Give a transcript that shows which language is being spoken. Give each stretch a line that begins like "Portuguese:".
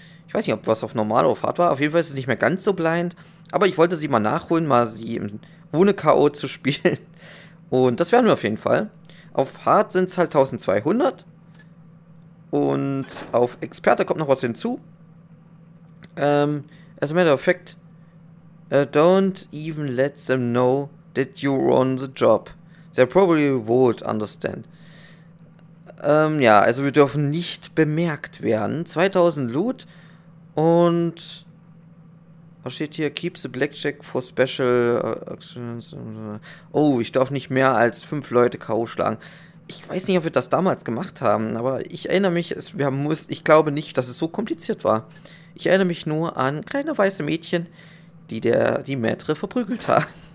German: Ich weiß nicht, ob was auf normal oder auf hart war, auf jeden Fall ist es nicht mehr ganz so blind, aber ich wollte sie mal nachholen, mal sie ohne K.O. zu spielen, und das werden wir auf jeden Fall. Auf hart sind es halt 1200, und auf Experte kommt noch was hinzu.
English: As a matter of fact, don't even let them know that you're on the job. They probably won't understand.
German: Ja, also wir dürfen nicht bemerkt werden. 2000 Loot und was steht hier?
English: Keep the Blackjack for special actions.
German: Oh, ich darf nicht mehr als 5 Leute K.O. schlagen. Ich weiß nicht, ob wir das damals gemacht haben, aber ich erinnere mich, ich glaube nicht, dass es so kompliziert war. Ich erinnere mich nur an kleine weiße Mädchen, die Maitre verprügelt hat.